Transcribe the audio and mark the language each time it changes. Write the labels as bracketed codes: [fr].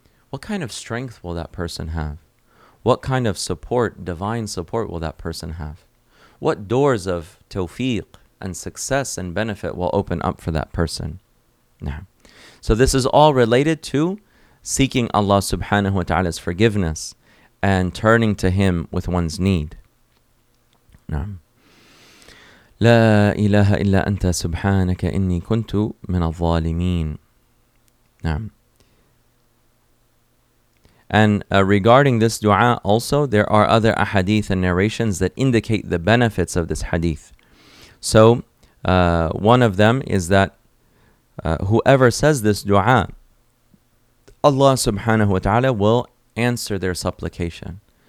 [en] What kind of strength will that person have? What kind of support, divine support, will that person have? What doors of tawfiq and success and benefit will open up for that person? Now, so this is all related to seeking Allah subhanahu wa ta'ala's forgiveness and turning to Him with one's need. [ar] Now, لا إله إلا أنت سبحانك إني كنت من الظالمين. [en] And regarding this dua also, there are other ahadith and narrations that indicate the benefits of this hadith. So one of them is that whoever says this dua, Allah subhanahu wa ta'ala will answer their supplication.